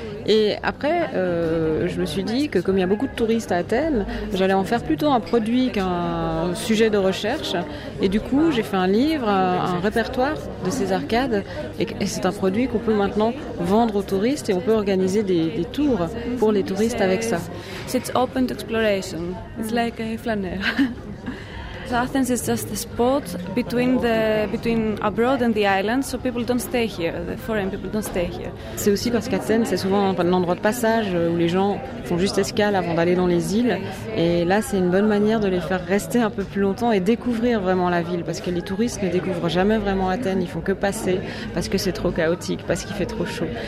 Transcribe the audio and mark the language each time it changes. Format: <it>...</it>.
<fr>Et après, je me suis dit que comme il y a beaucoup de touristes à Athènes, j'allais en faire plutôt un produit qu'un sujet de recherche. Et du coup, j'ai fait un livre, un répertoire de ces arcades. Et c'est un produit qu'on peut maintenant vendre aux touristes et on peut organiser des tours pour les touristes avec ça.</fr> <en>It's open to exploration. It's like a flâneur. So Athens is just a spot between abroad and the island, so people don't stay here, the foreign people don't stay here.</en> <fr>C'est aussi parce qu'Athènes, c'est souvent un endroit de passage où les gens font juste escale avant d'aller dans les îles. Et là, c'est une bonne manière de les faire rester un peu plus longtemps et découvrir vraiment la ville, parce que les touristes ne découvrent jamais vraiment Athènes, ils font que passer parce que c'est trop chaotique, parce qu'il fait trop chaud.</fr>